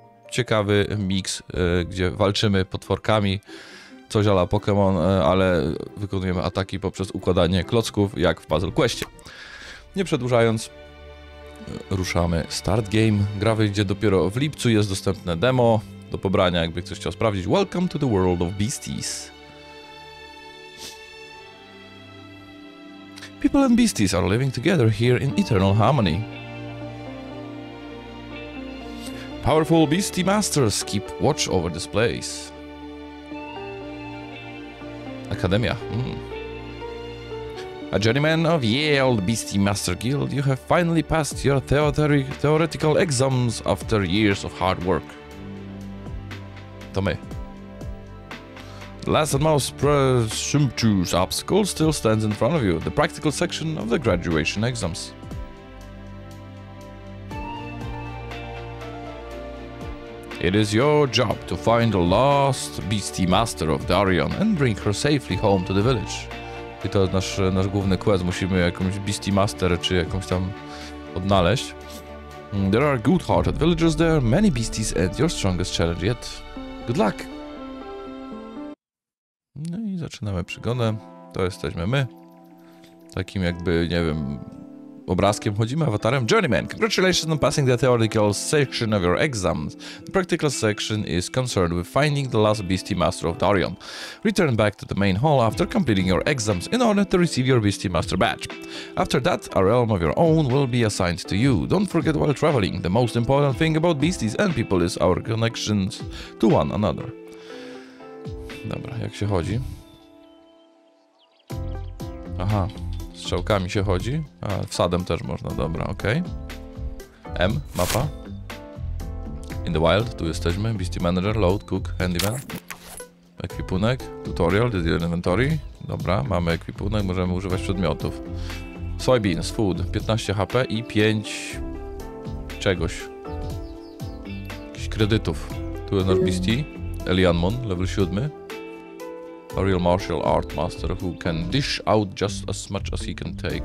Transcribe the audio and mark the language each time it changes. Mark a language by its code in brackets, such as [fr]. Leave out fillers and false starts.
[pl] ciekawy miks, gdzie walczymy potworkami, coś a la Pokémon, ale wykonujemy ataki poprzez układanie klocków, jak w Puzzle Questie. Nie przedłużając, ruszamy Start Game. Gra wyjdzie dopiero w lipcu, jest dostępne demo do pobrania, jakby ktoś chciał sprawdzić. [en] Welcome to the world of Beasties. People and beasties are living together here in eternal harmony. Powerful beastie masters keep watch over this place. [pl] Akademia. [en] A journeyman of Yale Beastie Master Guild, you have finally passed your theoretical exams after years of hard work. To my. Last and most presumptuous obstacle still stands in front of you, the practical section of the graduation exams. It is your job to find the lost Beastie Master of Darion and bring her safely home to the village. [pl] I to nasz główny quest, musimy jakąś Beastie Master czy jakąś tam odnaleźć. [en] There are good-hearted villagers there, many beasties and your strongest challenge yet. Good luck! [pl] No i zaczynamy przygodę. To jesteśmy my. Takim jakby, nie wiem, obrazkiem chodzimy, awatarem. [en] Journeyman, congratulations on passing the theoretical section of your exams. The practical section is concerned with finding the last Beastie Master of Darion. Return back to the main hall after completing your exams in order to receive your Beastie Master badge. After that, a realm of your own will be assigned to you. Don't forget while traveling. The most important thing about beasties and people is our connections to one another. [pl] Dobra, jak się chodzi? Aha. Strzałkami się chodzi, a wsadem też można, dobra, okej. [en] Okay. M, mapa. In the wild, [pl] tu jesteśmy, [en] Beastie Manager, Load, Cook, Handyman. Ekwipunek, Tutorial, Digital Inventory. [pl] Dobra, mamy ekwipunek, możemy używać przedmiotów. Soybeans, Food, 15 HP i 5... czegoś. Jakichś kredytów. Tu jest nasz Beastie, Elian Moon, level 7. [en] A real martial art master who can dish out just as much as he can take.